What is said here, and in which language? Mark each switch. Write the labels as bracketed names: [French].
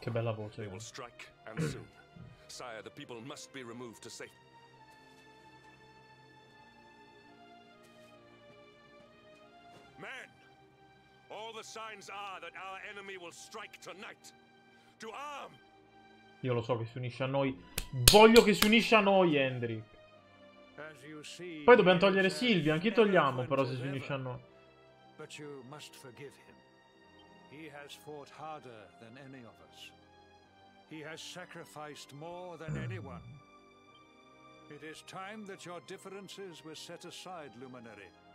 [Italian] Che bella voce. [English] They will strike, and soon. Sire, the people must be removed to safety. Men! All the the signs are that our enemy will strike tonight. To arm. [Italian] Io lo so che si unisce a noi. Voglio che si unisce a noi, Henry. Poi dobbiamo togliere Silvia, anche togliamo, però se si unisce a noi. [English] But you must forgive him. He has fought harder than any of us. He has sacrificed more than anyone. It is time that your differences were set aside, Luminary.